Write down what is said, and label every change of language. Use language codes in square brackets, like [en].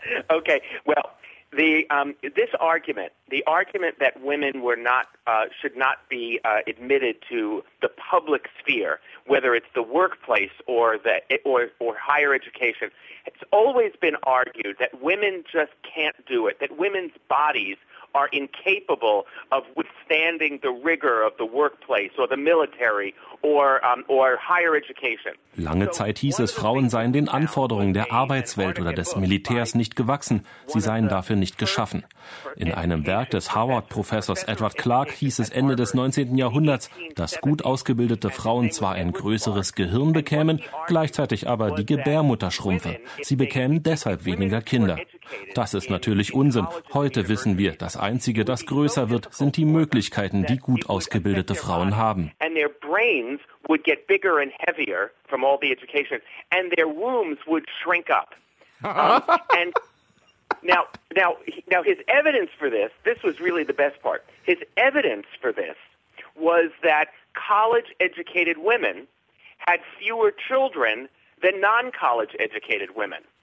[en] Okay, well, this argument, the argument that women were not should not be admitted to the public sphere, whether it's the workplace or higher education, it's always been argued that women just can't do it, that women's bodies are incapable of withstanding the rigor of the workplace or the military or higher education. [de] Lange Zeit hieß es, Frauen seien den Anforderungen der Arbeitswelt oder des Militärs nicht gewachsen. Sie seien dafür nicht geschaffen. In einem Werk des Harvard-Professors Edward Clark hieß es Ende des 19. Jahrhunderts, dass gut ausgebildete Frauen zwar ein größeres Gehirn bekämen, gleichzeitig aber die Gebärmutter schrumpfe. Sie bekämen deshalb weniger Kinder. Das ist natürlich Unsinn. Heute wissen wir, das Einzige, das größer wird, sind die Möglichkeiten, die gut ausgebildete Frauen haben. [en] Would get bigger and heavier from all the education, and their wombs would shrink up. And now his evidence for this was really the best part. His evidence for this was that college-educated women had fewer children than non-college-educated women.